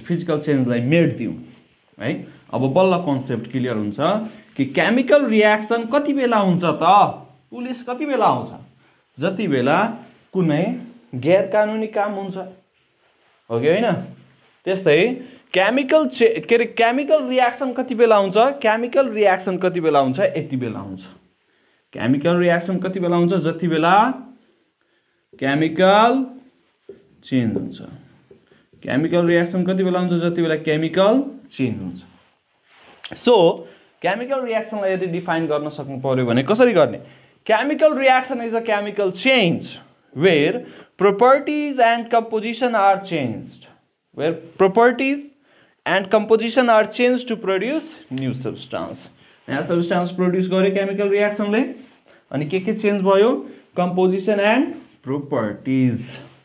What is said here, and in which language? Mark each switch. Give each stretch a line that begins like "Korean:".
Nepali: Physical चेन्जलाई मेट दिउँ है. अब बल्ल कन्सेप्ट क्लियर हुन्छ कि केमिकल रियाक्सन कति बेला हुन्छ त, पुलिस कति बेला आउँछ, जति बेला कुनै गैर कानुनी काम हुन्छ हो कि होइन. त्यस्तै केमिकल केमिकल रियाक्सन कति बेला आउँछ, केमिकल रियाक्सन कति बेला हुन्छ, यति बेला हुन्छ. केमिकल रियाक्सन कति बेला हुन्छ, जति बेला केमिकल चेन्ज हुन्छ. केमिकल रियाक्सन कति बेला हुन्छ, जति बेला केमिकल चेन्ज हुन्छ. सो केमिकल रियाक्सनलाई यदि डिफाइन गर्न सक्नु पऱ्यो भने कसरी गर्ने,
English: Chemical reaction is a chemical change where properties and composition are changed. Where properties and composition are changed to produce new substance. Now, substance produced by chemical reaction. And what change by composition and properties.